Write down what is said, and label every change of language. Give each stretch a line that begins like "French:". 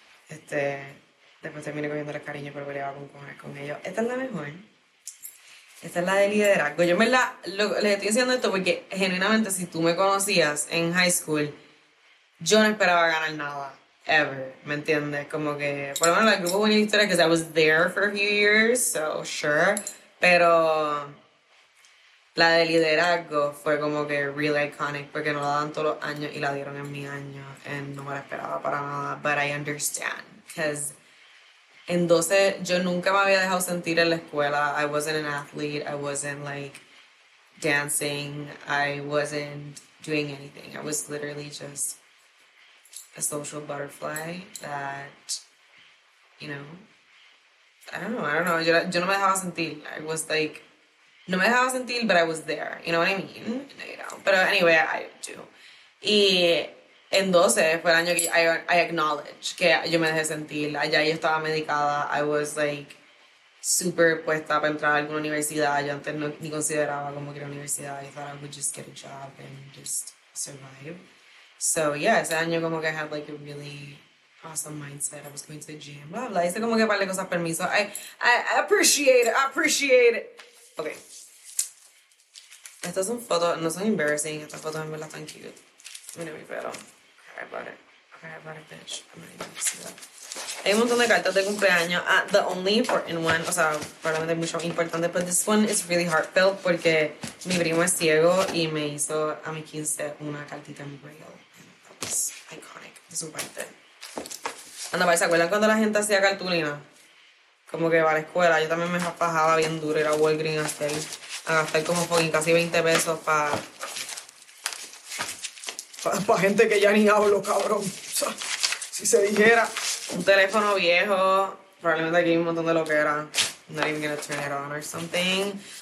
Spanish: Después terminé cogiendo el cariño, pero peleaba con ellos. Esta es la mejor. Esta es la de liderazgo. Yo en verdad les estoy diciendo esto porque genuinamente si tú me conocías en high school, yo no esperaba ganar nada, ever, ¿me entiendes? Como que, por lo menos el grupo Buena Historia,
English: because I was there for a few years, so sure.
Spanish: Pero la de liderazgo fue como que
English: real iconic
Spanish: porque no la dan todos los años y la dieron en mi año.
English: And
Spanish: no me la esperaba para nada,
English: but I understand, because
Spanish: Entonces, yo nunca me había dejado sentir en la escuela.
English: I wasn't an athlete. I wasn't, like, dancing. I wasn't doing anything. I was literally just a social butterfly that, you know, I don't know.
Spanish: Yo no me dejaba sentir.
English: I was, like,
Spanish: no me dejaba sentir,
English: but I was there. You know what I mean? You know. But anyway, I do.
Spanish: Y en 12 fue el año que
English: I acknowledge
Spanish: que yo me dejé sentir. Allá yo estaba medicada.
English: I was, like,
Spanish: super puesta para entrar a alguna universidad. Yo antes no, ni consideraba como que era universidad.
English: I thought I would just get a job and just survive. So, yeah,
Spanish: ese año como que
English: I had, like, a really awesome mindset. I was going to the gym, blah, blah.
Spanish: Hice como que par de cosas permiso.
English: I appreciate it. Okay.
Spanish: Estas son fotos, no son embarrassing. Estas fotos en verdad están cute. Mira mi pelo.
English: I bought it, bitch. I'm not even gonna see that.
Spanish: Hay un montón de cartas de cumpleaños.
English: The only important one,
Spanish: o sea, para mí es mucho importante,
English: but this one is really heartfelt
Spanish: porque mi primo es ciego y me hizo a mi 15 una cartita en braille.
English: That was iconic.
Spanish: De su parte. Anda, ¿se acuerdan cuando la gente hacía cartulina? Como que va a la escuela. Yo también me fajaba bien duro. Era Walgreens a gastar como fucking casi 20 pesos para gente que ya ni hablo, cabrón. O sea, si se dijera. Un teléfono viejo. Probablemente aquí hay un montón de lo que era.
English: Not even gonna turn it on or something.